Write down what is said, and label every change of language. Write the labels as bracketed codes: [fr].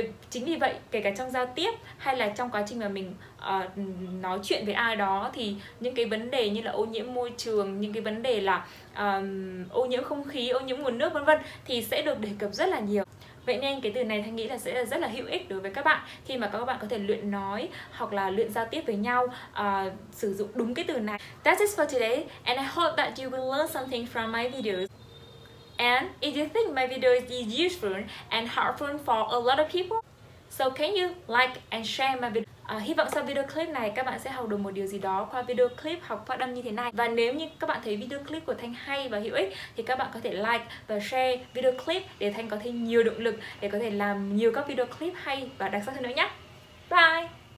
[vi] Chính vì vậy, kể cả trong giao tiếp hay là trong quá trình mà mình nói chuyện với ai đó, thì những cái vấn đề như là ô nhiễm môi trường, những cái vấn đề là ô nhiễm không khí, ô nhiễm nguồn nước vân vân thì sẽ được đề cập rất là nhiều. Vậy nên cái từ này Thanh nghĩ là sẽ rất là hữu ích đối với các bạn khi mà các bạn có thể luyện nói hoặc là luyện giao tiếp với nhau sử dụng đúng cái từ này. [en] That's it for today, and I hope that you will learn something from my videos. And if you think my video is useful and helpful for a lot of people, so can you like and share my video? [vi] Hy vọng sau video clip này các bạn sẽ học được một điều gì đó qua video clip học phát âm như thế này. Và nếu như các bạn thấy video clip của Thanh hay và hữu ích thì các bạn có thể like và share video clip để Thanh có thêm nhiều động lực để có thể làm nhiều các video clip hay và đặc sắc hơn nữa nhé. Bye!